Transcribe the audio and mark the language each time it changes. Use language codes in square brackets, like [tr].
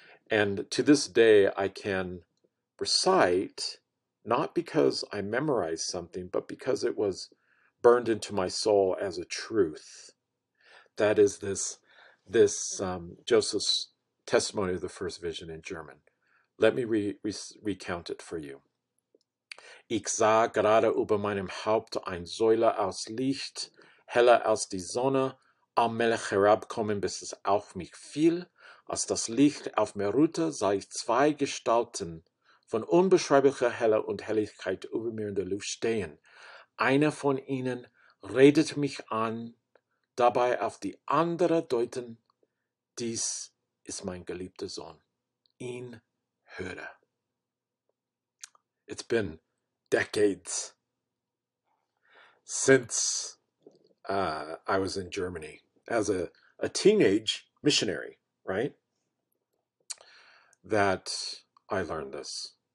[en] And to this day, I can recite, not because I memorized something, but because it was burned into my soul as a truth. That is this Joseph's testimony of the first vision in German. Let me recount it for you. [de] Ich sah gerade über meinem Haupt ein Säule aus Licht, heller als die Sonne, am Melch herabkommen, bis es auf mich fiel. Als das Licht auf mir ruhte, sah ich zwei Gestalten von unbeschreiblicher Helle und Helligkeit über mir in der Luft stehen. Eine von ihnen redete mich an, dabei auf die andere deuten, dies ist mein geliebter Sohn, ihn höre. [en] It's been decades since I was in Germany as a teenage missionary, right? That I learned this.